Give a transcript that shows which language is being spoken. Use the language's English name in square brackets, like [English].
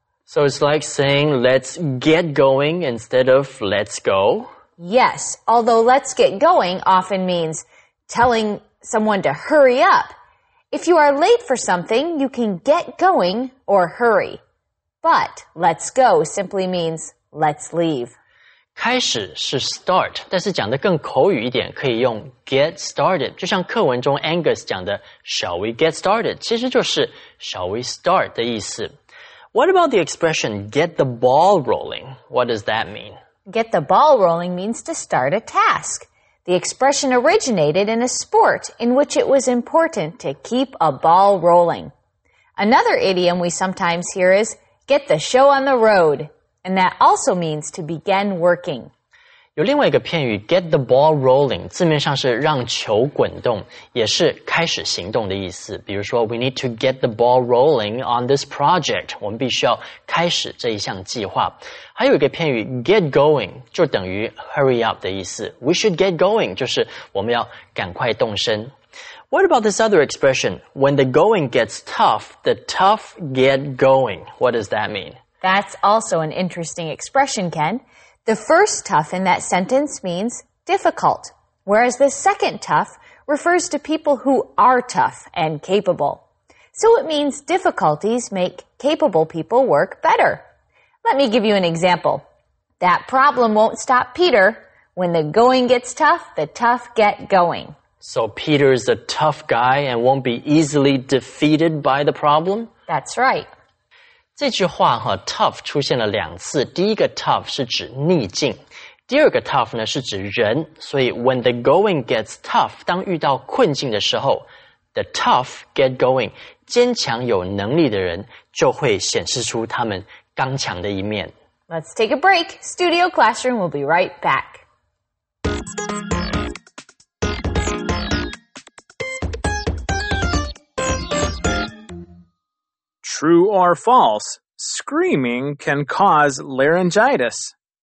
[English] So it's like saying let's get going instead of let's go? Yes, although let's get going often means telling someone to hurry up. If you are late for something, you can get going or hurry. But let's go simply means let's leave. [Chinese] 开始是 start, 但是讲得更口语一点可以用 [English] get started, [Chinese] 就像课文中 Angus 讲的 [English] shall we get started, [Chinese] 其实就是 [English] shall we start [Chinese] 的意思。 [English] What about the expression get the ball rolling? What does that mean? Get the ball rolling means to start a task. The expression originated in a sport in which it was important to keep a ball rolling. Another idiom we sometimes hear is get the show on the road. And that also means to begin working. [Chinese] 有另外一个片语 [English] get the ball rolling, [Chinese] 字面上是让球滚动也是开始行动的意思。比如说 [English] we need to get the ball rolling on this project, [Chinese] 我们必须要开始这一项计划。还有一个片语 [English] get going, [Chinese] 就等于 [English] hurry up [Chinese] 的意思。 [English] We should get going, [Chinese] 就是我们要赶快动身。 [English] What about this other expression? When the going gets tough, the tough get going. What does that mean? That's also an interesting expression, Ken. The first tough in that sentence means difficult, whereas the second tough refers to people who are tough and capable. So it means difficulties make capable people work better. Let me give you an example. That problem won't stop Peter. When the going gets tough, the tough get going. So Peter is a tough guy and won't be easily defeated by the problem? That's right. [Chinese] 这句话哈 tough 出现了两次，第一个 tough 是指逆境，第二个 tough 呢是指人，所以 [English] when the going gets tough [Chinese] 当遇到困境的时候 [English] the tough get going [Chinese] 坚强有能力的人就会显示出他们刚强的一面。 [English] Let's take a break. Studio Classroom will be right back. True or false, screaming can cause laryngitis.